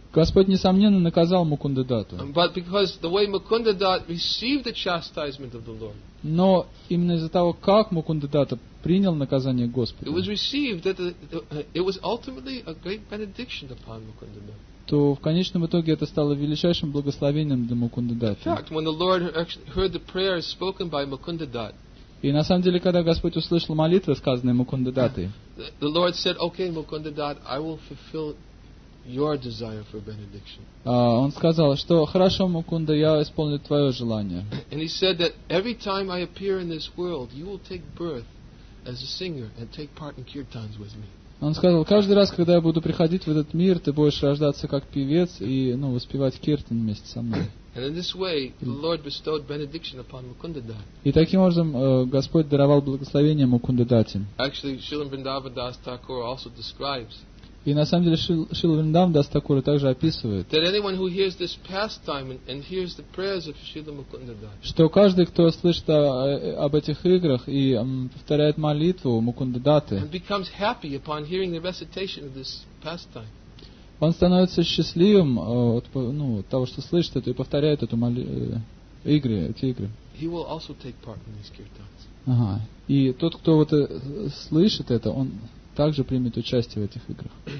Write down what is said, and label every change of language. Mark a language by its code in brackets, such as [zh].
[ru] Господь несомненно наказал Мукунда Датту. [en] But because the way Mukunda Datt received the chastisement of the Lord. [ru] Но именно из-за того, как Мукунда Датта принял наказание Господа. [en] It was received that it was ultimately a great benediction upon Mukunda Datt. [ru] То в конечном итоге это стало величайшим благословением для Мукунда Датта. [en] In fact, when the Lord actually heard the prayers spoken by Mukunda Datt. [ru] И на самом деле, когда Господь услышал молитвы, сказанные Мукунда Датой, [en] the Lord said, "Okay, Mukunda Datt, I will fulfill your desire for benediction." [ru] Он сказал, что хорошо, Мукунда, я исполню твое желание. [en] And he said that every time I appear in this world, you will take birth as a singer and take part in kirtans with me. [ru] Он сказал, каждый раз, когда я буду приходить в этот мир, ты будешь рождаться как певец и воспевать киртан вместе со мной. [en] And in this way, the Lord bestowed benediction upon Mukunda Datt. [ru] И таким образом Господь даровал благословение Мукунда Датте. [en] Actually, Srila Vrindava Das Thakur also describes. [ru] И на самом деле Шрила Вриндава Дас Такур также описывает. [en] That anyone who hears this pastime and hears the prayers of Srila Mukunda Datt. [ru] Что каждый, кто слышит об этих играх и повторяет молитву Мукунда Датты. [en] And becomes happy upon hearing the recitation of this pastime. [ru] Он становится счастливым от того, что слышит это и повторяет эту игры. [en] He will also take part in these kirtans. [ru] Ага. И тот, кто слышит это, он также примет участие в этих играх.